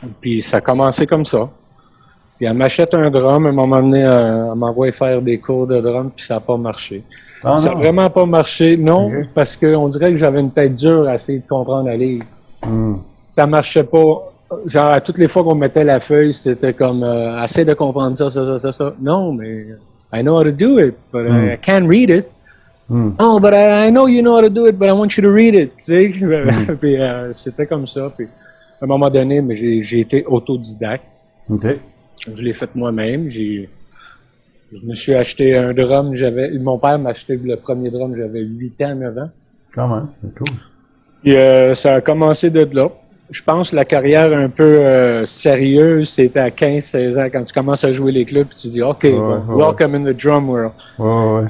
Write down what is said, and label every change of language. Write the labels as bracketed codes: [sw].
[fr] Puis ça a commencé comme ça. Puis elle m'achète un drum, à un moment donné, elle m'envoie faire des cours de drum, puis ça n'a pas marché. Ah, ça n'a vraiment pas marché, non, parce qu'on dirait que j'avais une tête dure à essayer de comprendre la livre. Ça ne marchait pas. Ça, à toutes les fois qu'on mettait la feuille, c'était comme, essaye de comprendre ça. Non, mais [en] I know how to do it, but I can't read it. Oh, but I know you know how to do it, but I want you to read it, [fr] tu sais. Puis c'était comme ça, puis à un moment donné, mais j'ai été autodidacte. Okay. Je l'ai fait moi-même, je me suis acheté un drum, mon père m'a acheté le premier drum, j'avais 8 ans, 9 ans. Comment? C'est cool. Puis ça a commencé de là. Je pense que la carrière un peu sérieuse, c'était à 15-16 ans, quand tu commences à jouer les clubs, puis tu dis « [en] OK, welcome in the drum world